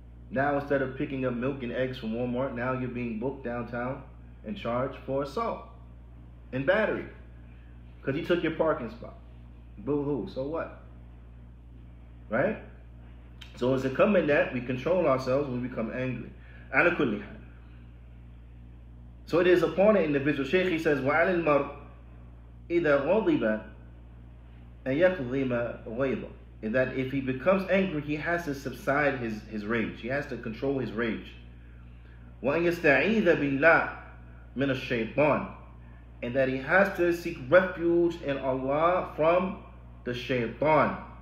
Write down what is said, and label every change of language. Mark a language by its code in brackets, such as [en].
[en] Now instead of picking up milk and eggs from Walmart, now you're being booked downtown and charged for assault and battery. Because he took your parking spot. Boo-hoo, so what? Right? So it's incumbent that we control ourselves when we become angry. Adequately. So it is upon an individual. Sheikh, he says, [ar] وَعَلِ الْمَرْءِ إِذَا غَضِبَ أَنْ يَقْضِمَ غَيْضًا. [en] And that if he becomes angry, he has to subside his rage. He has to control his rage. [ar] وَأَنْ يَسْتَعِيذَ بِاللَّهِ مِنَ الشَّيْطَانِ. [en] And that he has to seek refuge in Allah from the shaytan.